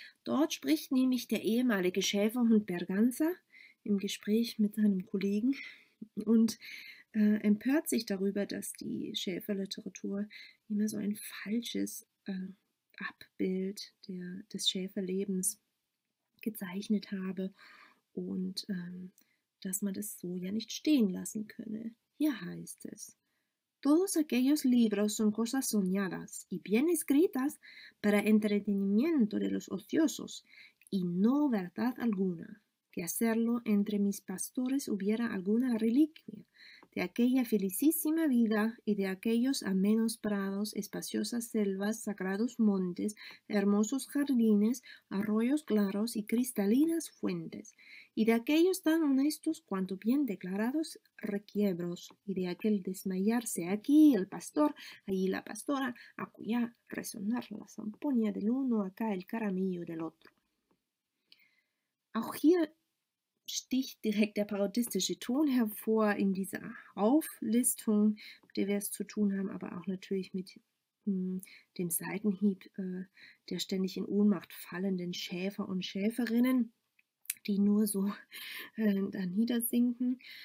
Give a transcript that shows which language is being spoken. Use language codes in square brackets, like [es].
[de] Dort spricht nämlich der ehemalige Schäferhund Berganza im Gespräch mit seinem Kollegen und empört sich darüber, dass die Schäferliteratur immer so ein falsches Abbild des Schäferlebens gezeichnet habe und dass man das so ja nicht stehen lassen könne. Hier heißt es: [es] Todos aquellos libros son cosas soñadas y bien escritas para entretenimiento de los ociosos y no verdad alguna que hacerlo entre mis pastores hubiera alguna reliquia de aquella felicísima vida y de aquellos amenos prados, espaciosas selvas, sagrados montes, hermosos jardines, arroyos claros y cristalinas fuentes, y de aquellos tan honestos cuanto bien declarados requiebros, y de aquel desmayarse aquí el pastor, allí la pastora, acullá resonar la zampoña del uno, acá el caramillo del otro. [de] Auch hier sticht direkt der parodistische Ton hervor in dieser Auflistung, mit der wir es zu tun haben, aber auch natürlich mit dem Seitenhieb der ständig in Ohnmacht fallenden Schäfer und Schäferinnen, die nur so da niedersinken.